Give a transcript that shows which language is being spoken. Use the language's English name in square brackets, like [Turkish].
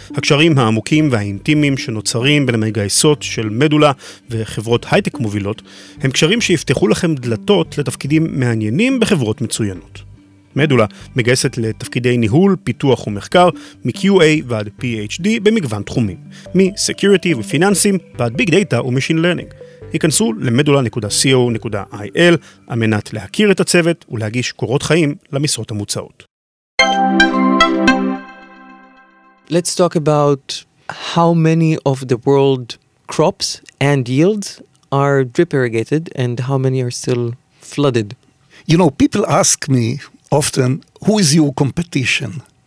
[Hebrew] הקשרים העמוקים והאינטימיים שנוצרים בין המגייסות של מדולה וחברות הייטק מובילות, הם קשרים שיפתחו לכם דלתות לתפקידים מעניינים בחברות מצוינות. מדולה מגייסת לתפקידי ניהול, פיתוח ומחקר, מ-QA ועד PhD במגוון תחומים. מ-Security ופיננסים ועד Big Data ו-Machine Learning. היכנסו למדולה.co.il על מנת להכיר את הצוות ולהגיש קורות חיים למשרות המוצעות. [English] Let's talk about how many of the world crops and yields are drip irrigated and how many are still flooded. You know, people ask me often, who is your competition?